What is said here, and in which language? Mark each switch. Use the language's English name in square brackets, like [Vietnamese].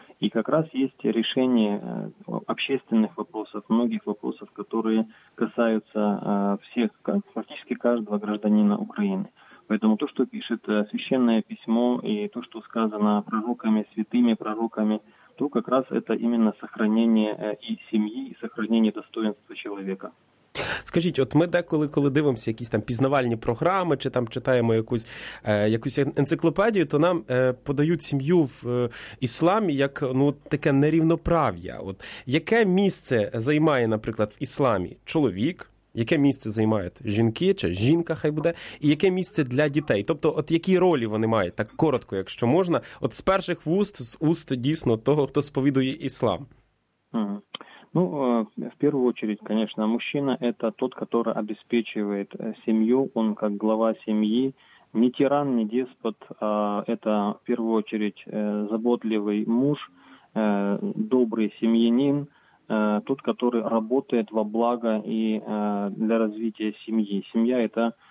[Russian] И как раз есть решение общественных вопросов, многих вопросов, которые касаются всех, практически каждого гражданина Украины. Поэтому то, что пишет священное письмо и то, что сказано пророками, святыми пророками, то как раз это именно сохранение и семьи, и сохранение достоинства человека. [Ukrainian] Скажіть, от ми деколи, коли дивимося якісь там пізнавальні програми, чи там читаємо якусь енциклопедію, то нам подають сім'ю в ісламі як, ну, таке нерівноправ'я. От яке місце займає, наприклад, в ісламі чоловік, яке місце займають жінки, чи жінка хай буде, і яке місце для дітей? Тобто, от які ролі вони мають, так коротко, якщо можна, от з перших вуст, з уст дійсно того, хто сповідує іслам? [Russian] Ну, в первую очередь, конечно, мужчина – это тот, который обеспечивает семью, он как глава семьи, не тиран, не деспот, а это, в первую очередь, заботливый муж, добрый семьянин, тот, который работает во благо и для развития семьи. Семья – это